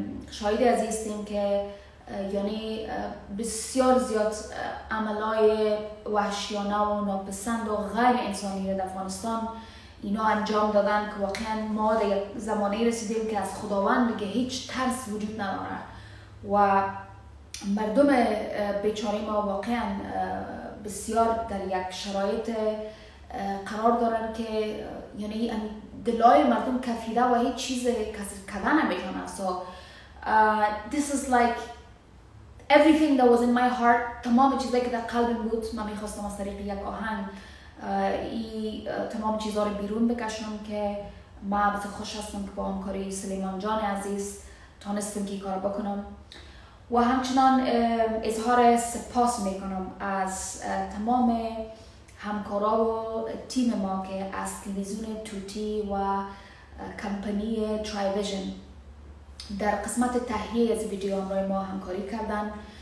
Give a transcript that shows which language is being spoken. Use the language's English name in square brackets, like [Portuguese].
[Persian] شاهد از ایستیم که یعنی بسیار زیاد عملای وحشیانه و ناپسند و غیر انسانی در افغانستان اینا انجام دادن که واقعا ما در زمانه رسیدیم که از خداوند بگه هیچ ترس وجود نداره و مردم بیچاره ما واقعا بسیار در یک شرایط قرار دارن که یعنی دلای مردم کفیده و هیچ چیز کسر کده نمیتونه. [English] So this is like everything that was in my heart. [Persian] تمام چیزایی که در قلبم بود من میخواستم از طریق یک آهنگ این تمام چیزها رو بیرون بکشم که من بسیار خوش هستم که با همکاری سلیمان جان عزیز تانستم که این کار بکنم و همچنان اظهار سپاس میکنم از تمام همکارا و تیم ما که از تلویزیون توتی و کمپانی ترای ویژن در قسمت تهیه از ویدیوهای ما همکاری کردن.